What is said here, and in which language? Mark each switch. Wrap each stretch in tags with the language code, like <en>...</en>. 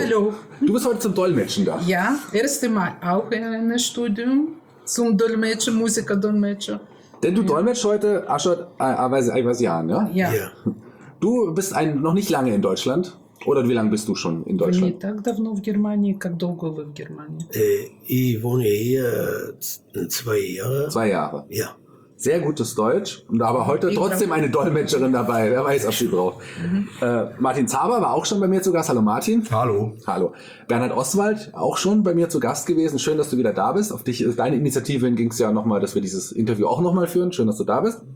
<de>Hallo. Du bist heute zum Dolmetschen da. Ja, erste Mal auch in einem Studium zum Dolmetscher, Musiker-Dolmetscher. Denn du dolmetschst heute Ashot Aivazian, ja? Ja. Du bist noch nicht lange in Deutschland, oder wie lange bist du schon in Deutschland? Nicht</de> <ru>так давно в Германии, как долго вы в Германии?</ru> <de>Ich wohne hier 2 Jahre. 2 Jahre? Ja. Sehr gutes Deutsch, aber heute trotzdem eine Dolmetscherin dabei, wer weiß, ob sie braucht. Martin Zaber war auch schon bei mir zu Gast, hallo Martin. Hallo. Hallo. Bernhard Oswald, auch schon bei mir zu Gast gewesen, schön, dass du wieder da bist. Auf dich, deine Initiative ging es ja nochmal, dass wir dieses Interview auch nochmal führen, schön, dass du da bist.</de>